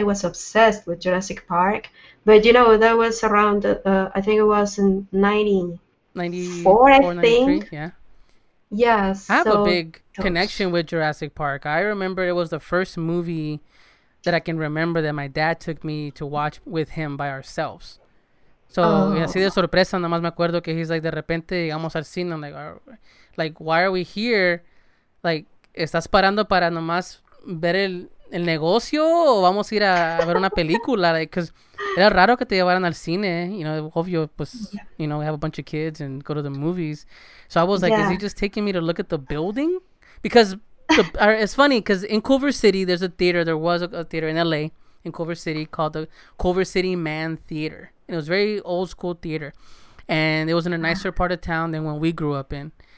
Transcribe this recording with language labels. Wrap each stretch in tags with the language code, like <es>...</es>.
<en>I was obsessed with Jurassic Park. But you know, that was around, I think it was in 94, I think. Yes. I have a big connection with Jurassic Park. I remember it was the first movie that I can remember that my dad took me to watch with him by ourselves. So,</en> <es>y así de sorpresa, nada más me acuerdo que</es> <en>he's like,</en> <es>de repente llegamos al cine,</es> <en>I'm like, why are we here? Like,</en> <es>¿estás parando para nomás ver el negocio o vamos a ir a ver una película?</es> <en>Like, because</en> <es>era raro que te llevaran al cine,</es> <en>you know,</en> <es>obvio, pues,</es> <en>yeah. You know, we have a bunch of kids and go to the movies. So I was like, yeah. Is he just taking me to look at the building? Because it's funny, because in Culver City, there was a theater in L.A., in Culver City called the Culver City Man Theater. And it was very old school theater. And it was in a nicer part of town than when we grew up in.</en>